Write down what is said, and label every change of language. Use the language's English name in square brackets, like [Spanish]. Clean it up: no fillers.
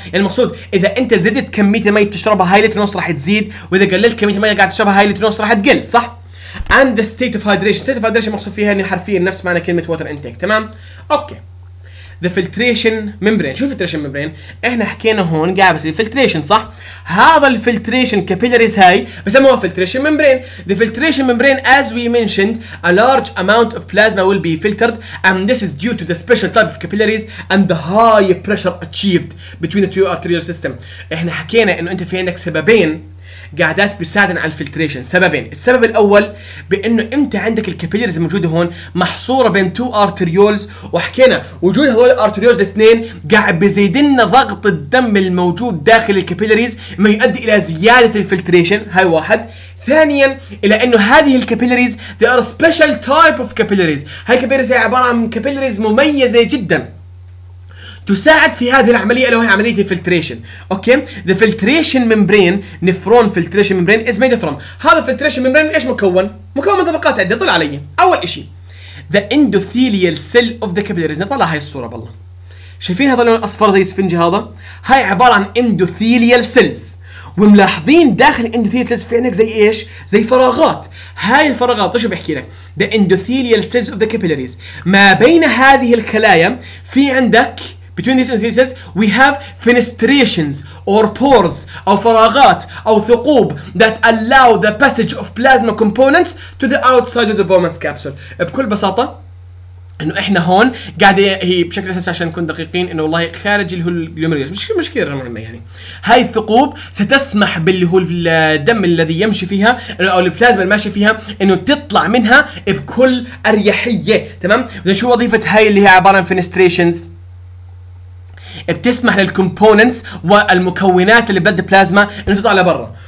[Arabic] يعني المقصود اذا انت زدت كميه الماء تشربها هاي لتر ونص راح تزيد, واذا قللت كميه الماء قاعد تشربها هاي لتر ونص راح تقل صح؟ [English] and the state of hydration, state of hydration [Arabic] مقصود فيها انه حرفيا نفس معنى كلمه water intake. تمام؟ اوكي, [English] the filtration membrane. [Arabic] شو filtration membrane؟ احنا حكينا هون قابس الفلتريشن صح؟ هذا الفلتريشن capillaries هاي بسموها filtration membrane. [English] The filtration membrane as we mentioned a large amount of plasma will be filtered and this is due to the special type of capillaries and the high pressure achieved between the two arterial system. [Arabic] احنا حكينا انه انت في عندك سببين قاعدات بيساعدن على الفلتريشن، سببين. السبب الاول بانه انت عندك الكابيلرز موجوده هون محصوره بين تو ارتريولز وحكينا وجود هذول الارتريولز الاثنين قاعد بيزيدن ضغط الدم الموجود داخل الكابيلرز ما يؤدي الى زياده الفلتريشن، هاي واحد. ثانيا الى انه هذه الكابيلرز [English] they are special type of capillaries، [Arabic] هاي الكابيلرز هي عباره عن كابيلرز مميزه جدا تساعد في هذه العملية اللي هي عملية الفلتريشن. [English] okay the filtration membrane nephron filtration membrane is made from هذا filtration membrane [Arabic] ايش مكون؟ مكون من طبقات عدة. طلع علي اول اشي [English] the endothelial cell of the capillaries. [Arabic] نطلع هاي الصورة بالله شايفين هذا اللون الاصفر زي سفنجة، هذا هاي عبارة عن endothelial cells وملاحظين داخل endothelial cells في عندك زي ايش؟ زي فراغات. هاي الفراغات وش بحكي لك؟ [English] the endothelial cells of the capillaries [Arabic] ما بين هذه الخلايا في عندك [English] between these endothelial cells we have fenestrations or pores [Arabic] أو فراغات أو ثقوب [English] that allow the passage of plasma components to the outside of the Bowman's capsule. [Arabic] بكل بساطة إنه إحنا هون قاعدة هي بشكل أساسي عشان نكون دقيقين إنه والله خارج اللي هو الجلوميريولس مش كثير مهمة يعني. هاي الثقوب ستسمح باللي هو الدم الذي يمشي فيها أو البلازما اللي ماشي فيها إنه تطلع منها بكل أريحية، تمام؟ إذا شو وظيفة هاي اللي هي عبارة عن fenestrations؟ بتسمح للكومبوننتس والمكونات اللي بلد بلازما انه تطلع لبرا.